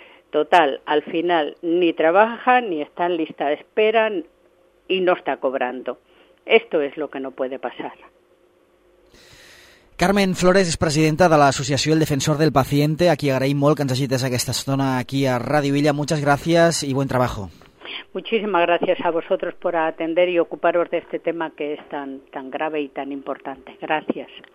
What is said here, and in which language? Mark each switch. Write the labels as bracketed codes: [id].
[es] Total, al final ni trabaja, ni está en lista de espera y no está cobrando. Esto es lo que no puede pasar. [ca] Carmen Flores és presidenta de l'Associació El Defensor del Paciente. Aquí agraïm molt que ens hagi des aquesta estona aquí a Radio Illa. [es] Muchas gracias y buen trabajo. Muchísimas gracias a vosotros por atender y ocuparos de este tema que es tan grave y tan importante. Gracias.